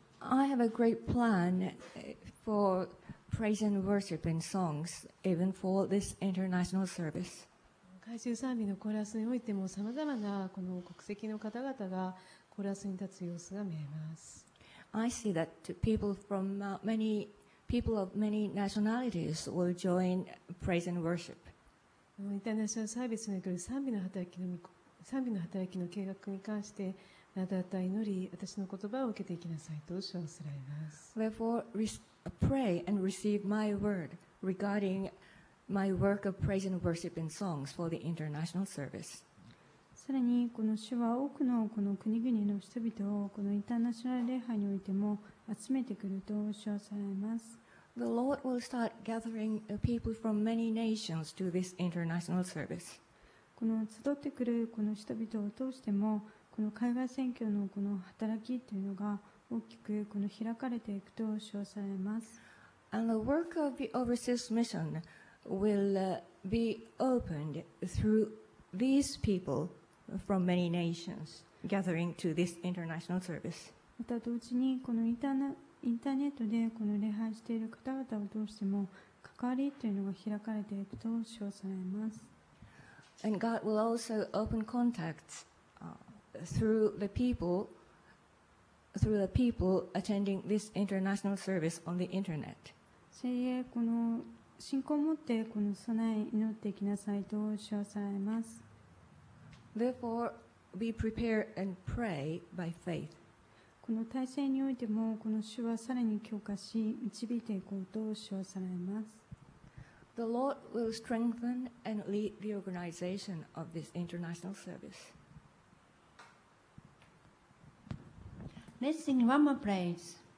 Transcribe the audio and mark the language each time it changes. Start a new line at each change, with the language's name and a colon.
English: I have a great plan for praise and worship and songs, even for this international service.
Japanese: 海中賛美のコーラスにおいても、さまざまなこの国籍の方々がコーラスに立つ様子が見えます。
English: I see that people from many people of many nationalities will join praise and worship.
Japanese: インターナショナルサービスにおける賛美の働きの見込み賛美の働きの計画に関して、あなたは祈り、私の言葉を受けていきなさいと主はおっしゃいます。
English: Therefore, pray and receive my word regarding my work of praise and worship and songs for the international service.
Japanese: さらに、この主は多くのこの国々の人々をこのインターナショナル礼拝においても集めてくると主はおっしゃいます。
English: The Lord will start gathering people from many nations to this international service.
Japanese: この集ってくるこの人々を通してもこの海外宣教のこの働きというのが大きくこの開かれていくと称されます。
English: And the work of the overseas mission will be opened through these people from many nations gathering to this international service.
Japanese: また同時にこのインターネットでこの礼拝している方々を通しても関わりというのが開かれていくと称されます。
English: And God will also open contacts through the people attending this international service on the internet.
Japanese: Say, この信仰を持ってこの備え祈っていきなさいと称されます。
English: Therefore, be prepared and pray by faith.
Japanese: この体制においてもこの主はさらに強化し導いていこうと称されます。
English: The Lord will strengthen and lead the organization of this international service. Let's sing one more praise.